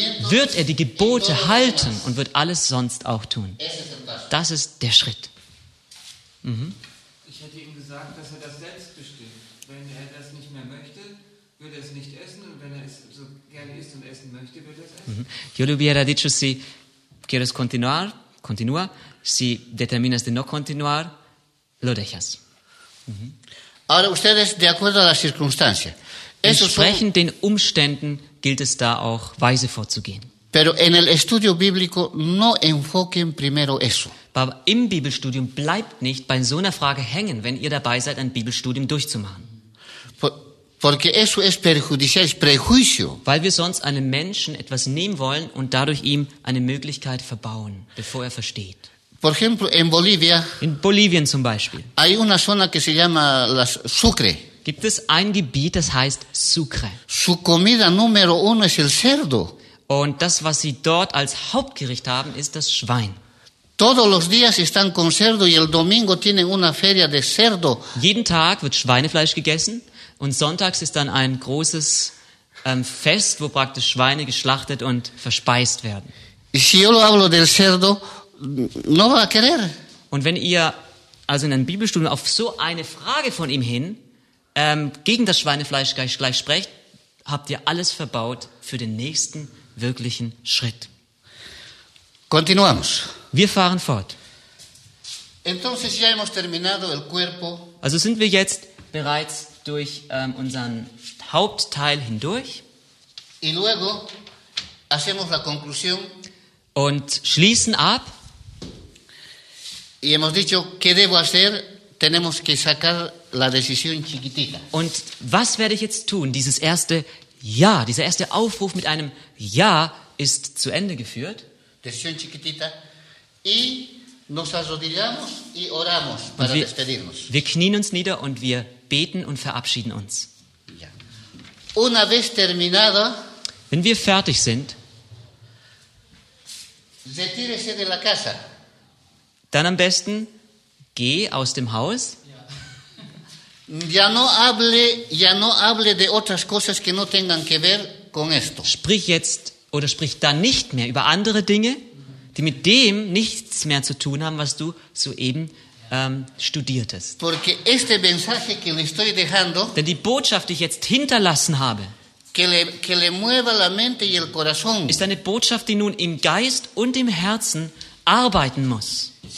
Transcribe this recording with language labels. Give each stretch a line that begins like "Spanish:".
German: Wird er die Gebote halten und wird alles sonst auch tun. Das ist der Schritt. Mhm. Ich hätte ihm gesagt, dass er das selbst bestimmt. Wenn er das nicht mehr möchte, würde er es nicht essen. Und wenn er es so gerne isst und essen möchte, würde er es essen. Mhm.
Spanish: Yo le hubiera dicho, si quieres continuar, continúa. Si determinas de no continuar, lo dejas. Mhm. Ahora ustedes, de acuerdo a las circunstancias.
German: Entsprechend den Umständen gilt es da auch weise vorzugehen.
Spanish: Pero en el estudio bíblico no enfoquen primero eso.
German: Aber im Bibelstudium bleibt nicht bei so einer Frage hängen, wenn ihr dabei seid, ein Bibelstudium durchzumachen.
Spanish: Porque eso es perjudicial, es prejuicio.
German: Weil wir sonst einem Menschen etwas nehmen wollen und dadurch ihm eine Möglichkeit verbauen, bevor er versteht.
Spanish: Por ejemplo, en Bolivia,
German: in Bolivien zum Beispiel,
Spanish: hay una zona que se llama las Sucre.
German: Gibt es ein Gebiet, das heißt Sucre.
Spanish: Su comida número uno es el cerdo.
German: Und das, was sie dort als Hauptgericht haben, ist das Schwein.
Spanish: Todos los días están con cerdo y el domingo tienen una feria de cerdo.
German: Jeden Tag wird Schweinefleisch gegessen und sonntags ist dann ein großes Fest, wo praktisch Schweine geschlachtet und verspeist werden.
Spanish: Si yo lo hablo del cerdo, no va a querer.
German: Und wenn ihr also in einem Bibelstudium auf so eine Frage von ihm hin gegen das Schweinefleisch gleich sprecht, habt ihr alles verbaut für den nächsten wirklichen Schritt.
Spanish: Continuamos.
German: Wir fahren fort.
Spanish: Entonces ya hemos terminado el cuerpo.
German: Also sind wir jetzt bereits durch unseren Hauptteil hindurch.
Spanish: Y luego hacemos la conclusión.
German: Und schließen ab.
Spanish: Y hemos dicho, ¿qué debo hacer? Tenemos que sacar la decisión chiquitita.
German: Und was werde ich jetzt tun? Dieses erste Ja, dieser erste Aufruf mit einem Ja ist zu Ende geführt.
Spanish: Versión chiquitita. Y nos arrodillamos y oramos para despedirnos.
German: Wir knien uns nieder und wir beten und verabschieden uns.
Spanish: Ja. Una vez terminado,
German: wenn wir fertig sind,
Spanish: retírese de la casa.
German: Dann am besten geh aus dem Haus.
Spanish: Ya no hable de otras cosas que no tengan que ver con esto.
German: Sprich jetzt oder sprich dann nicht mehr über andere Dinge, die mit dem nichts mehr zu tun haben, was du soeben studiertest.
Spanish: Porque este mensaje que le estoy dejando,
German: denn die Botschaft, die ich jetzt hinterlassen habe,
Spanish: que le mueva la mente y el corazón,
German: ist eine Botschaft, die nun im Geist und im Herzen arbeiten muss.